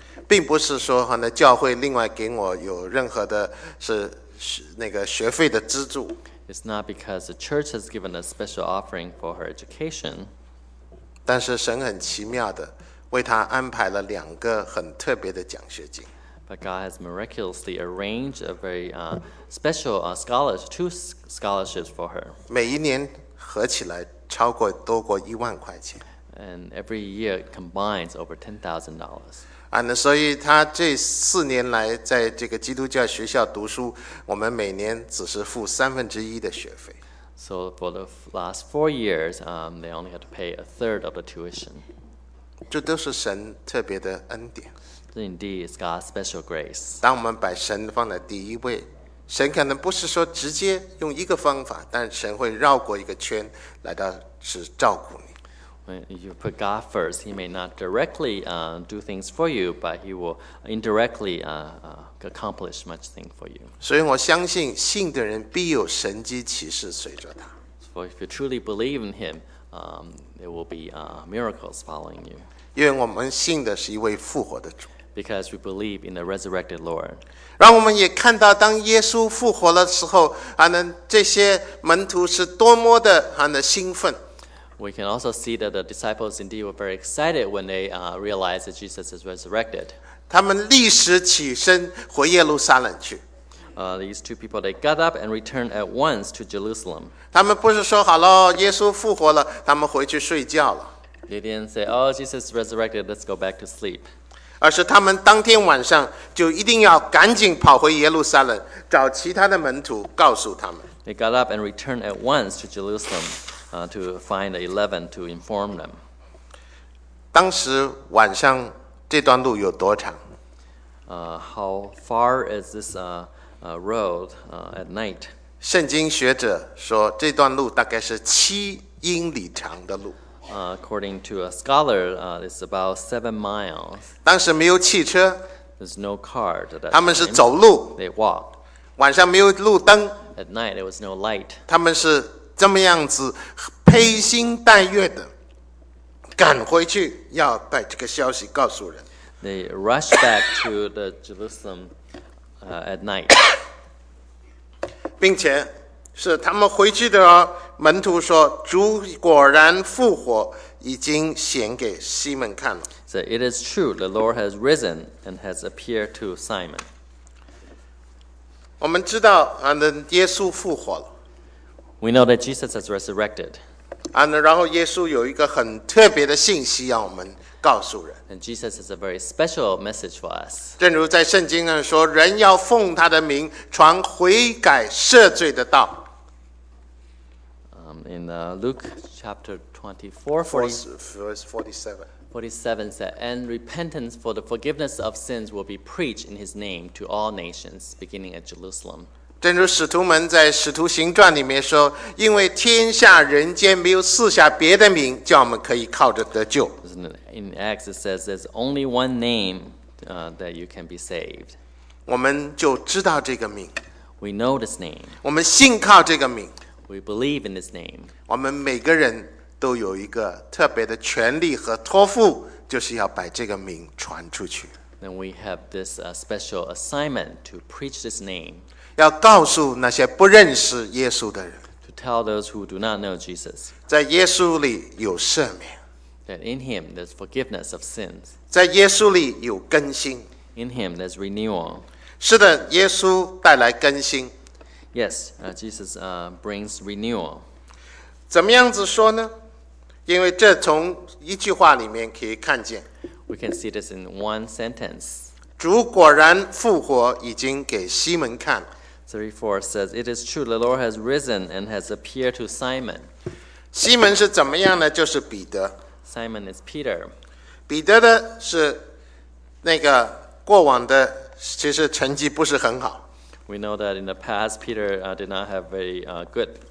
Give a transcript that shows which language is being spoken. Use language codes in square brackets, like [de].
[zh] 并不是说教会另外给我有任何的是那个学费的资助。 [en] It's not because the church has given a special offering for her education. [zh] 但是神很奇妙的为她安排了两个很特别的奖学金。 [en] But God has miraculously arranged a very special scholarship, two scholarships for her. [zh] 每一年合起来超过多过一万块钱。 [en] And every year combines over $10,000. [zh] 所以他这四年来在这个基督教学校读书，我们每年只是付三分之一的学费。 [en] So for the last 4 years, they only had to pay a third of the tuition. [zh] 这都是神特别的恩典。 [en] This indeed is God's special grace. [zh] 当我们把神放在第一位，神可能不是说直接用一个方法，但神会绕过一个圈来到是照顾你。 [en] When you put God first, He may not directly do things for you, but He will indirectly accomplish much thing for you. [zh] 所以我相信信的人必有神迹奇事随着他。 [en] For if you truly believe in Him, there will be miracles following you. [zh] 因为我们信的是一位复活的主。 [en] Because we believe in the resurrected Lord. [zh] 让我们也看到当耶稣复活的时候，这些门徒是多么的兴奋。 [en] We can also see that the disciples indeed were very excited when they realized that Jesus is resurrected. [zh] 他们立时起身回耶路撒冷去。 [en] These two people, they got up and returned at once to Jerusalem. [zh] 他们不是说好了，耶稣复活了，他们回去睡觉了。 [en] They didn't say, oh, Jesus is resurrected, let's go back to sleep. [zh] 而是他们当天晚上就一定要赶紧跑回耶路撒冷，找其他的门徒告诉他们。 [en] They got up and returned at once to Jerusalem. To find the 11 to inform them. [zh] 当时晚上这段路有多长？ [en] How far is this road at night? [zh] 圣经学者说这段路大概是七英里长的路。 [en] According to a scholar, it's about 7 miles. [zh] 当时没有汽车。 [en] There's no car. [zh] 他们是走路。 [en] They walked. [zh] 晚上没有路灯。 [en] At night, there was no light. [zh] 他们是这么样子披星戴月的赶回去，要把这个消息告诉人。 [en] They rushed back to the Jerusalem at night. [zh] 并且是他们回去的门徒说，主果然复活，已经显给西门看了。 [en] So it is true, the Lord has risen and has appeared to Simon. [zh] 我们知道耶稣复活了。 [en] We know that Jesus has resurrected. [zh] 然后耶稣有一个很特别的信息要我们告诉人。 [en] And Jesus has a very special message for us. [zh] 正如在圣经上说，人要奉他的名传悔改赦罪的道。 [en] In Luke chapter 47 said, and repentance for the forgiveness of sins will be preached in his name to all nations, beginning at Jerusalem. [zh] 正如使徒们在使徒行传里面说，因为天下人间没有赐下别的名叫我们可以靠着得救。 [en] In Acts it says there's only one name that you can be saved. [zh] 我们就知道这个名。 [en] We know this name. [zh] 我们信靠这个名。 [en] We believe in this name. [zh] 我们每个人都有一个特别的权利和托付，就是要把这个名传出去。 [en] Then we have this special assignment to preach this name. [zh] 要告诉那些不认识耶稣的人 [en] ，to tell those who do not know Jesus， [zh] 在耶稣里有赦免 [en] ，that in Him there's forgiveness of sins， [zh] 在耶稣里有更新 [en] ，in Him there's renewal。 [zh] 是的，耶稣带来更新 [en] ，yes， Jesus brings renewal。 [zh] 怎么样子说呢？因为这从一句话里面可以看见 [en] ，we can see this in one sentence。 [zh] 主果然复活，已经给西门看了。 [en] 34 says, "It is true, the Lord has risen and has appeared to Simon." [zh] 西门是怎么样呢？就是彼得。 [en] Simon is Peter. [zh] 彼得的是那个过往的，其实成绩不是很好。 [en] We know that in the past, Peter did not have very good